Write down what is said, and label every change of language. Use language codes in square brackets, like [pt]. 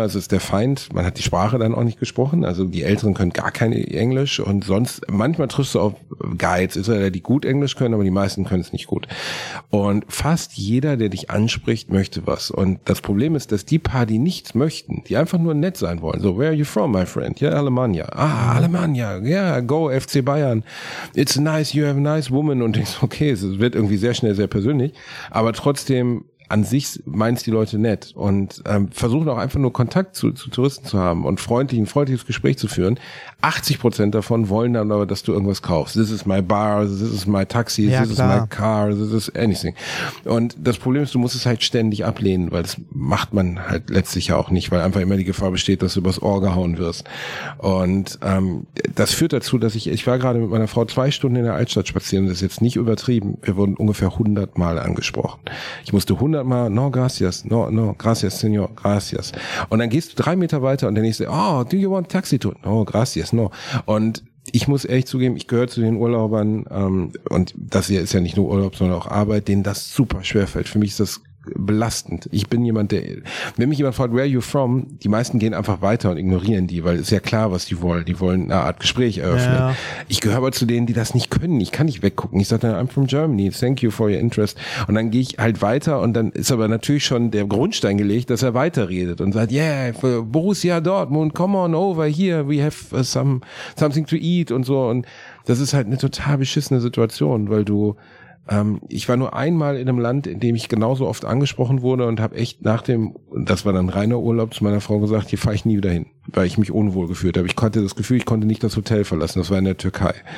[de] Also ist der Feind, man hat die Sprache dann auch nicht gesprochen. Also die Älteren können gar kein Englisch und sonst, manchmal triffst du auf Guides, Israeler, die gut Englisch können, aber die meisten können es nicht gut. Und fast jeder, der dich anspricht, möchte was. Und das Problem ist, dass die paar, die nichts möchten, die einfach nur nett sein wollen. [en] So, where are you from, my friend? Yeah, Alemannia. Ah, Alemannia, yeah, go FC Bayern. It's nice, you have a nice woman. [de] Und denkst, okay, es wird irgendwie sehr schnell sehr persönlich. Aber trotzdem, an sich meint's die Leute nett und versuchen auch einfach nur Kontakt zu Touristen zu haben und ein freundliches Gespräch zu führen. 80% davon wollen dann aber, dass du irgendwas kaufst. [en] This is my bar, this is my taxi, ja, this klar. is my car, this is anything. [de] Und das Problem ist, du musst es halt ständig ablehnen, weil das macht man halt letztlich ja auch nicht, weil einfach immer die Gefahr besteht, dass du übers Ohr gehauen wirst. Und das führt dazu, dass ich war gerade mit meiner Frau 2 Stunden in der Altstadt spazieren, das ist jetzt nicht übertrieben, wir wurden ungefähr 100 Mal angesprochen. Ich musste 100 Mal, [es] no, gracias, no, no, gracias, señor, gracias. [de] Und dann gehst du 3 Meter weiter und der nächste, [en] oh, do you want taxi to? [es] No, gracias, no. [de] Und ich muss ehrlich zugeben, ich gehöre zu den Urlaubern, und das hier ist ja nicht nur Urlaub, sondern auch Arbeit, denen das super schwerfällt. Für mich ist das belastend. Ich bin jemand, der, wenn mich jemand fragt, [en] where are you from, [de] die meisten gehen einfach weiter und ignorieren die, weil es ist ja klar, was die wollen. Die wollen eine Art Gespräch eröffnen. Ja. Ich gehöre aber zu denen, die das nicht können. Ich kann nicht weggucken. Ich sage dann, [en] I'm from Germany. Thank you for your interest. [de] Und dann gehe ich halt weiter und dann ist aber natürlich schon der Grundstein gelegt, dass er weiterredet und sagt, [en] yeah, Borussia Dortmund, come on over here. We have something to eat [de] und so. Und das ist halt eine total beschissene Situation, weil du ich war nur einmal in einem Land, in dem ich genauso oft angesprochen wurde und habe echt nach dem, das war dann reiner Urlaub, zu meiner Frau gesagt, hier fahre ich nie wieder hin, weil ich mich unwohl gefühlt habe. Ich hatte das Gefühl, ich konnte nicht das Hotel verlassen. Das war in der Türkei.